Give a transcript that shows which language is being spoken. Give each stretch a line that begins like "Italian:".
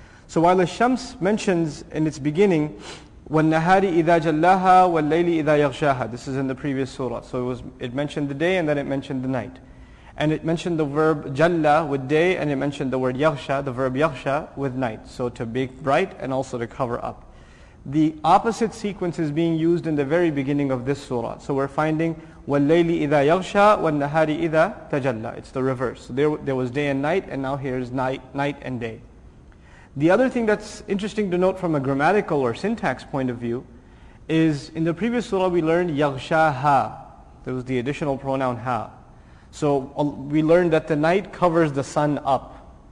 English: So while Al-Shams mentions in its beginning,
Arabic: وَالنَّهَارِ إِذَا جَلَّهَا وَاللَّيْلِ إِذَا يَغْشَاهَا,
English: this is in the previous surah. So it mentioned the day and then it mentioned the night. And it mentioned the verb jalla with day, and it mentioned the word yaghsha, the verb yaghsha, with night. So to make bright and also to cover up. The opposite sequence is being used in the very beginning of this surah. So we're finding
Arabic: وَاللَّيْلِ إِذَا يَغْشَى وَالنَّهَارِ إِذَا تَجَلَّى.
English: It's the reverse. So there was day and night, and now here is night and day. The other thing that's interesting to note from a grammatical or syntax point of view is in the previous surah we learned يَغْشَاهَا. There was the additional pronoun ha. So we learned that the night covers the sun up.